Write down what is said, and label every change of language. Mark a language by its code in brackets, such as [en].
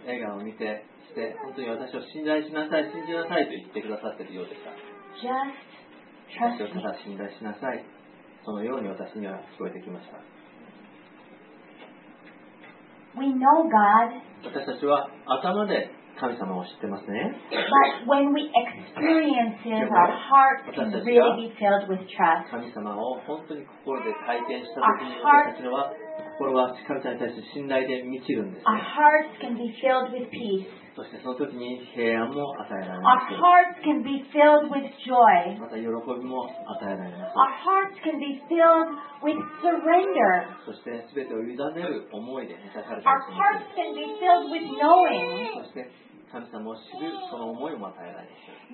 [ja] 映画を見てして本当に私を信頼しなさい信じなさいと言ってくださっているようでした。 [en] Just trust me. [ja] 私をただ信頼しなさい。そのように私には聞こえてきました。 [en] We know God. [ja] 私たちは頭で神様を知ってますね。 [en] But when we experience it, our heart can really be filled with trust. [ja] 神様を本当に心で体験したときに私たちは心は神様に対して信頼で満ちるんです、ね。 [en] Our hearts can be filled with peace. [ja] そしてその時に平安も与えられます。 [en] Our hearts can be filled with joy. [ja] また喜びも与えられます。 [en] Our hearts can be filled with surrender. [ja] そして全てを委ねる思いで満たされます。 [en] Our hearts can be filled with knowing. [ja] そして神様を知るその思いも与えられます。